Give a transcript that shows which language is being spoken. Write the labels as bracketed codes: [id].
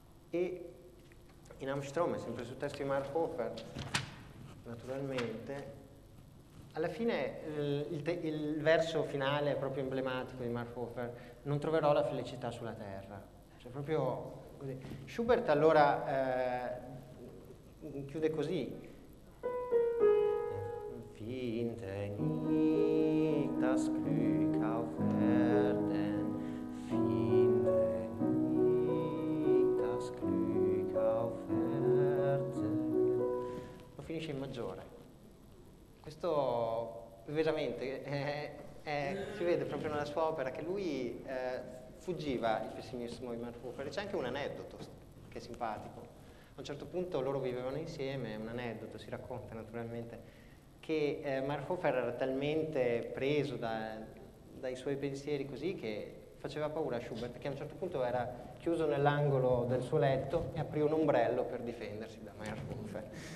[it] E in Amström, sempre sul testo di Meyerhofer, naturalmente, alla fine il verso finale è proprio emblematico di Meyerhofer: non troverò la felicità sulla terra. Cioè, proprio così. Schubert allora chiude così. [de] Finde nicht das Glück auf Erden, finde nicht das Glück auf Erden. [it] Lo finisce in maggiore. Questo veramente si vede proprio nella sua opera, che lui fuggiva il pessimismo di Meyerhofer. C'è anche un aneddoto che è simpatico. A un certo punto loro vivevano insieme, un aneddoto si racconta naturalmente, che Meyerhofer era talmente preso dai suoi pensieri così che faceva paura a Schubert, che a un certo punto era chiuso nell'angolo del suo letto e aprì un ombrello per difendersi da Meyerhofer.